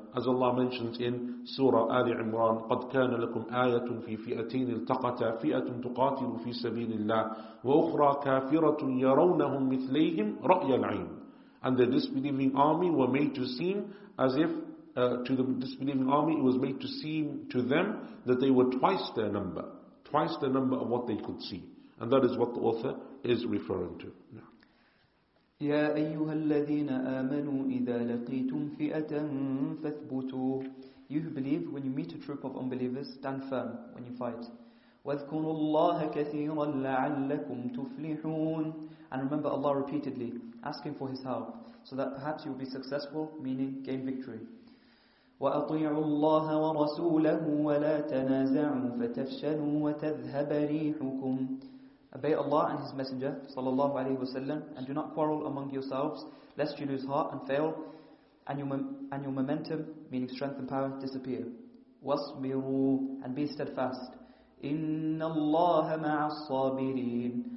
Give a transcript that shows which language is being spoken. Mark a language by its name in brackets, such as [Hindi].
[English] as Allah mentions in Surah Ali Imran, [Arabic] قَدْ كَانَ لَكُمْ آيَةٌ فِي فِئَتَيْنِ الْتَقَتَا فِئَةٌ تُقَاتِلُ فِي سَبِيلِ اللَّهِ وَأُخْرَى كَافِرَةٌ يَرَوْنَهُمْ مِثْلَيْهِمْ رَأْيَ الْعَيْنِ. [English] And the disbelieving army were made to seem as if to the disbelieving army it was made to seem to them that they were twice their number of what they could see. And that is what the author is referring to. [Arabic] يا أيها الذين آمنوا إذا لقيتم فئة فاثبتوا. [English] You who believe, when you meet a troop of unbelievers, stand firm when you fight. [Arabic] واذكروا الله كثيرا لعلكم تفلحون. [English] And remember Allah repeatedly, asking for His help, so that perhaps you will be successful, meaning gain victory. [Arabic] وأطيعوا الله ورسوله ولا تنازعوا فتفشلوا وتذهب ريحكم. [English] Obey Allah and His Messenger, sallallahu alaihi wasallam, and do not quarrel among yourselves, lest you lose heart and fail, and your momentum, meaning strength and power, disappear. [Arabic] وَاصْبِرُوا, [English] and be steadfast. [Arabic] إِنَّ اللَّهَ مَعَ الصَّابِرِينَ.